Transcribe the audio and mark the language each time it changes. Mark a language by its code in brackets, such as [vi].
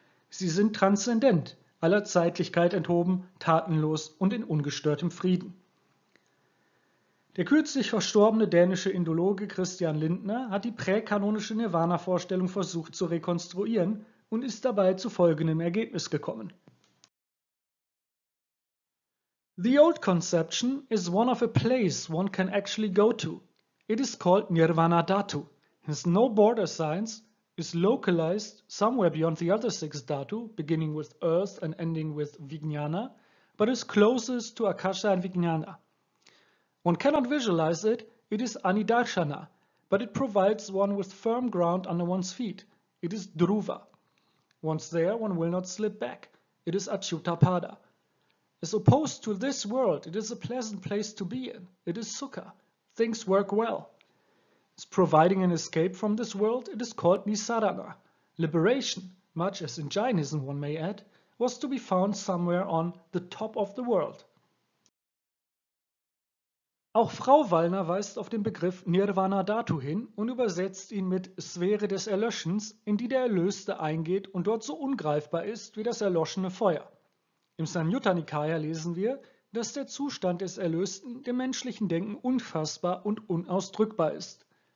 [de] Sie sind transzendent, aller Zeitlichkeit enthoben, tatenlos und in ungestörtem Frieden. Der kürzlich verstorbene dänische Indologe Christian Lindner hat die präkanonische Nirvana-Vorstellung versucht zu rekonstruieren und ist dabei zu folgendem Ergebnis gekommen. [en] The old conception is one of a place one can actually go to. It is called Nirvana Dhatu. Has no border signs, is localized somewhere beyond the other six Dhatu, beginning with Earth and ending with Vijnana, but is closest to Akasha and Vijnana. One cannot visualize it, it is Anidarshana, but it provides one with firm ground under one's feet, it is Dhruva. Once there, one will not slip back, it is Achyutapada. As opposed to this world, it is a pleasant place to be in, it is Sukha, things work well. As providing an escape from this world, it is called Nisarana. Liberation, much as in Jainism one may add, was to be found somewhere on the top of the world. [de] Auch Frau Wallner weist auf den Begriff Nirvana Dhatu hin und übersetzt ihn mit Sphäre des Erlöschens, in die der Erlöste eingeht und dort so ungreifbar ist wie das erloschene Feuer. Im Samyutta Nikaya lesen wir, dass der Zustand des Erlösten dem menschlichen Denken unfassbar und unausdrückbar ist.